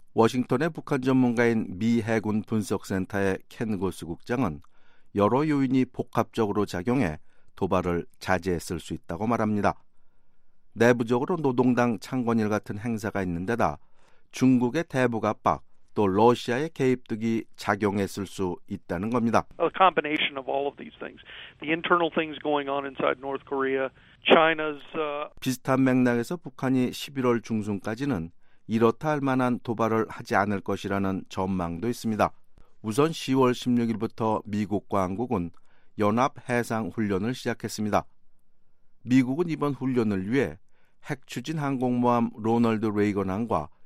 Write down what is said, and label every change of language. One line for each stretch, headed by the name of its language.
Korean: 워싱턴의 북한 전문가인 미 해군 분석센터의 켄 고스 국장은 여러 요인이 복합적으로 작용해 도발을 자제했을 수 있다고 말합니다. 내부적으로 노동당 창건일 같은 행사가 있는 데다 중국의 대북 압박 또 러시아의 개입 등이 작용했을 수 있다는 겁니다.
English: A combination of all of these things. The internal things going on inside North Korea, China's
Korean: 비슷한 맥락에서 북한이 11월 중순까지는 이렇다 할 만한 도발을 하지 않을 것이라는 전망도 있습니다. 우선 10월 16일부터 미국과 한국은 연합 해상 훈련을 시작했습니다. 미국은 이번 훈련을 위해 핵추진 항공모함 로널드 레이건함과